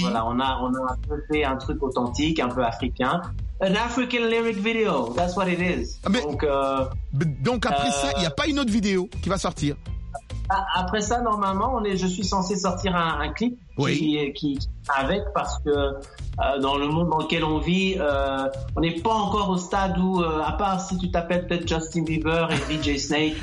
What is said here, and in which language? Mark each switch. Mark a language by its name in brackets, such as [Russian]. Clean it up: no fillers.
[French] Voilà, on a un peu fait un truc authentique, un peu africain. [English] An African lyric video, that's what it is. [French] Mais, donc après ça, il n'y a pas une autre vidéo qui va sortir? Après ça, normalement, je suis censé sortir un clip qui avec, parce que dans le monde dans lequel on vit, on n'est pas encore au stade où, à part si tu t'appelles peut-être Justin Bieber et DJ Snake.